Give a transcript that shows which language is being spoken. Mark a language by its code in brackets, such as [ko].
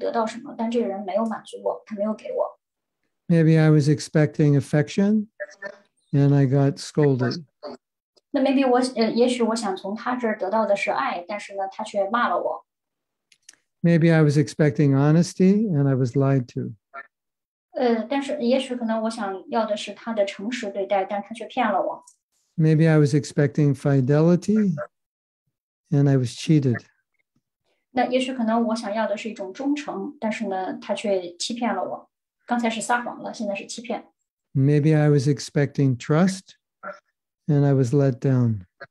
[zh] 那我们去找到自己的这个原因呢，是去慰问自己这个问题，就是我希望从这个人身上得到什么，但这个人没有满足我，他没有给我。 [en] Maybe I was expecting affection, and I got scolded. [zh] 那也许我想从他这儿得到的是爱，但是呢，他却骂了我。 [en] Maybe I was expecting honesty, and I was lied to. [zh] 但是也许可能我想要的是他的诚实对待，但他却骗了我。 [en] Maybe I was expecting fidelity, and I was cheated. [zh] 那也许可能我想要的是一种忠诚，但是呢，他却欺骗了我。刚才是撒谎了, [en] maybe I was expecting trust and I was let down.